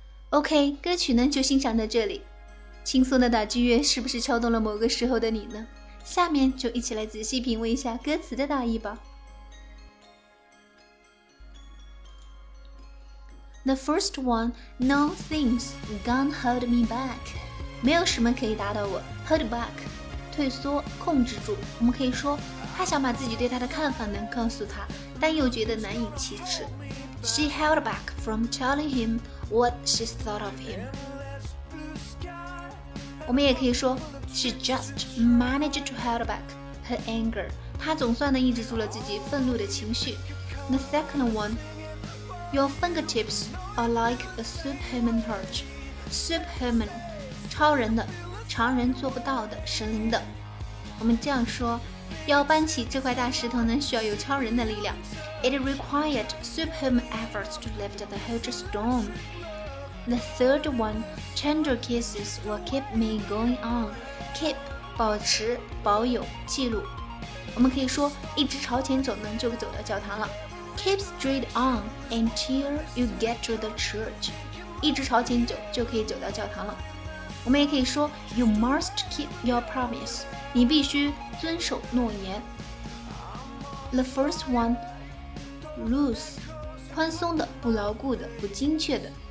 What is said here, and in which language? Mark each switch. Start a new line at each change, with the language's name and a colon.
Chinese: OK， 歌曲呢就欣赏到这里。轻松的打击乐是不是敲动了某个时候的你呢？下面就一起来仔细品味一下歌词的大意吧。
English: The first one, no things gonna hold me back.
Chinese: 没有什么可以打倒我 ，hold back， 退缩，控制住。我们可以说她想把自己对她的看法能告诉她，但又觉得难以启齿。
English: She held back from telling him what she thought of him.
Chinese: 我们也可以说
English: She just managed to hold back her anger.
Chinese: 她总算能抑制住了自己愤怒的情绪。
English: The second one, Your fingertips are like a superhuman touch.
Chinese: Superhuman, 超人的，常人做不到的，神灵的。我们这样说，要搬起这块大石头呢，需要有超人的力量。
English: It required superhuman efforts to lift the huge stone. The third one, tender kisses will keep me going on.
Chinese: Keep, 保持，保有，记录。我们可以说，一直朝前走呢，就走到教堂了。
English: Keep straight on until you get to the church.
Chinese: 一直朝前走，就可以走到教堂了。我们也可以说
English: You must keep your promise.
Chinese: 你必须遵守诺言。
English: The first one, loose,
Chinese: 宽松的，不牢固的，不精确的。